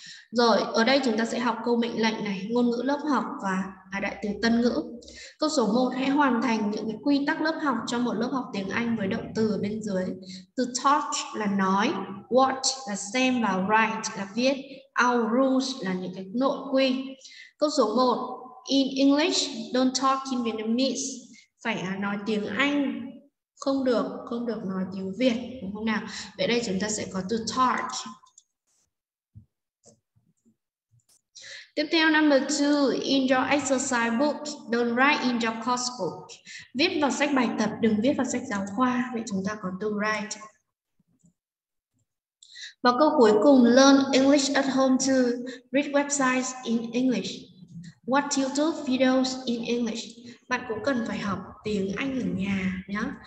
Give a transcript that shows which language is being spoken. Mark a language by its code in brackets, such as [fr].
[vi] Rồi, ở đây chúng ta sẽ học câu mệnh lệnh này, ngôn ngữ lớp học và đại từ tân ngữ. Câu số 1, hãy hoàn thành những cái quy tắc lớp học cho một lớp học tiếng Anh với động từ ở bên dưới. Từ talk là nói, watch là xem và write là viết. Our rules là những cái nội quy. Câu số 1, [en] in English, don't talk in Vietnamese. [vi] Phải nói tiếng Anh. Không được nói tiếng Việt, đúng không nào? Vậy đây chúng ta sẽ có to talk. Tiếp theo, [en] number 2, in your exercise book, don't write in your course book. [vi] Viết vào sách bài tập, đừng viết vào sách giáo khoa, vậy chúng ta có to write. Và câu cuối cùng, [en] learn English at home to read websites in English. Watch YouTube videos in English. [vi] Bạn cũng cần phải học tiếng Anh ở nhà nhé.